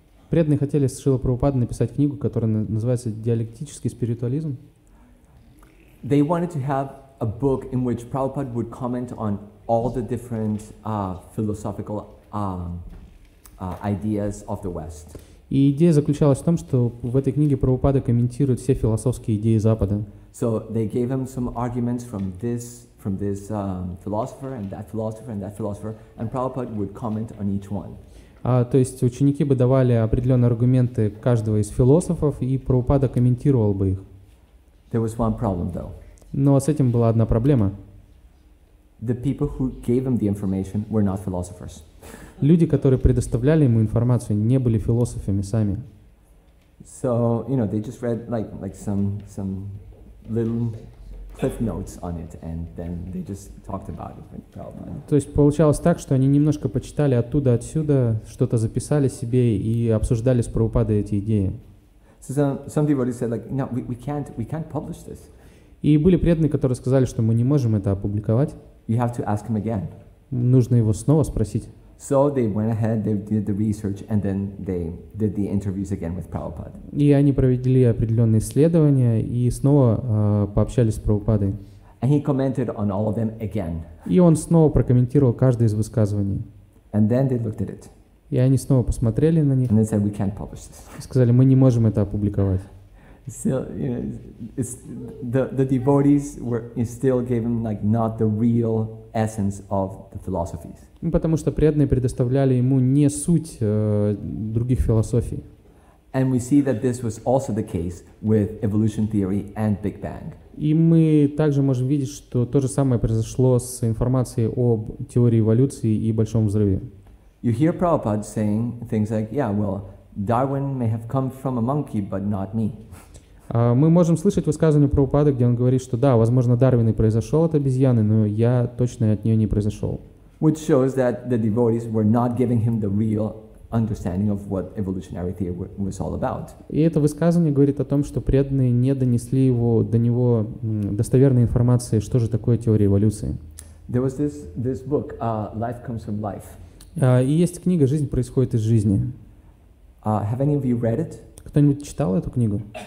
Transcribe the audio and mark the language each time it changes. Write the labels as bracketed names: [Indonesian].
[Russian] Преданные хотели с Шрилой Прабхупадой написать книгу, которая называется «Диалектический спиритуализм». [English] They wanted to have a book in which Prabhupada would comment on all the different philosophical ideas of the West. [Russian] И идея заключалась в том, что в этой книге Прабхупада комментирует все философские идеи Запада. [English] So they gave him some arguments from this philosopher and that philosopher and that philosopher, and Prabhupada would comment on each one. [Russian] То есть ученики бы давали определенные аргументы каждого из философов, и Прабхупада комментировал бы их. [English] There was one problem, though. [Russian] Но с этим была одна проблема. [English] The people who gave him the information were not philosophers. [Russian] Люди, которые предоставляли ему информацию, не были философами сами. [English] So, you know, they just read like some little cliff notes on it, and then they just talked about it. [Russian] То есть получалось так, что они немножко почитали оттуда, отсюда, что-то записали себе и обсуждали с Прабхупадой эти идеи. [English] So some devotees said, like, no, we can't publish this. [Russian] И были преданные, которые сказали, что мы не можем это опубликовать. [English] You have to ask him again. [Russian] Нужно его снова спросить. [English] So they went ahead, they did the research, and then they did the interviews again with Prabhupada. [Russian] И они провели определенные исследования и снова пообщались с Прабхупадой. [English] And he commented on all of them again. [Russian] И он снова прокомментировал каждое из высказываний. [English] And then they looked at it. [Russian] И они снова посмотрели на них. [English] And they said, we can't publish this. [Russian] И сказали, мы не можем это опубликовать. [English] Still, you know, it's the devotees were still gave him like not the real essence of the philosophies. [Russian] Потому что преданные предоставляли ему не суть других философий. [English] And we see that this was also the case with evolution theory and Big Bang. [Russian] И мы также можем видеть, что то же самое произошло с информацией об теории эволюции и Большом взрыве. [English] You hear Prabhupada saying things like, yeah, well, Darwin may have come from a monkey, but not me. [Russian] Мы можем слышать высказывание Прабхупады, где он говорит, что да, возможно, Дарвин и произошел от обезьяны, но я точно от нее не произошел. [English] Which shows that the devotees were not giving him the real understanding of what evolutionary theory was all about. [Russian] И это высказывание говорит о том, что преданные не донесли его до него достоверной информации, что же такое теория эволюции. [English] There was this book, Life Comes from Life. [Russian] И есть книга «Жизнь происходит из жизни». [English] Have any of you read it? [Russian] Кто-нибудь читал эту книгу?